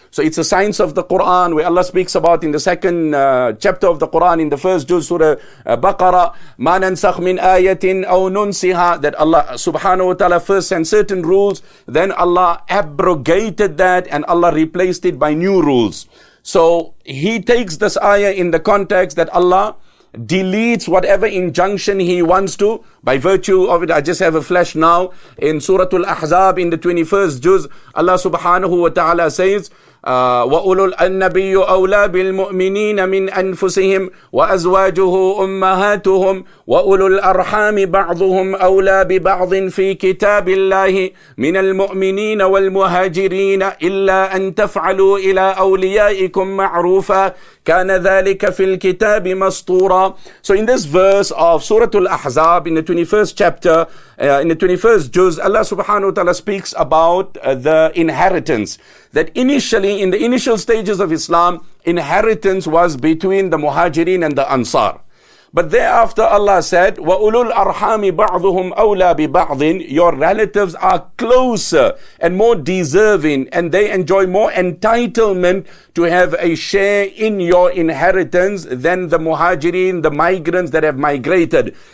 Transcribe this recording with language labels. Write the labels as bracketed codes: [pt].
[en] So it's a science of the Quran where Allah speaks about in the second chapter of the Quran, in the first juz, Surah Baqarah, [ar] مَا نَنْسَخْ مِنْ آيَةٍ أَوْ نُنْسِهَا, [en] that Allah subhanahu wa ta'ala first sent certain rules, then Allah abrogated that and Allah replaced it by new rules. So he takes this ayah in the context that Allah deletes whatever injunction He wants to by virtue of it. I just have a flash now in Surah Al-Ahzab in the 21st juz. Allah subhanahu wa ta'ala says, [ar] وَأُولُو النَّبِيُّ أَوْلَى بِالْمُؤْمِنِينَ مِنْ أَنفُسِهِمْ وَأَزْوَاجُهُ أُمَّهَاتُهُمْ وَأُولُو الْأَرْحَامِ بَعْضُهُمْ أَوْلَى بِبَعْضٍ فِي كِتَابِ اللَّهِ مِنَ الْمُؤْمِنِينَ وَالْمُهَاجِرِينَ إِلَّا أَن تَفْعَلُوا إِلَى أَوْلِيَائِكُمْ مَعْرُوفًا كَانَ ذَلِكَ فِي الْكِتَابِ مَسْطُورًا. [en] So in this verse of Surah Al-Ahzab, in the 21st chapter, in the 21st juz, Allah subhanahu wa ta'ala speaks about the inheritance. That initially, in the initial stages of Islam, inheritance was between the Muhajirin and the Ansar. But thereafter Allah said, [ar] وَأُولُو الْأَرْحَامِ بَعْضُهُمْ أَوْلَى بِبَعْضٍ, [en] your relatives are closer and more deserving, and they enjoy more entitlement to have a share in your inheritance than the Muhajirin, the migrants that have migrated.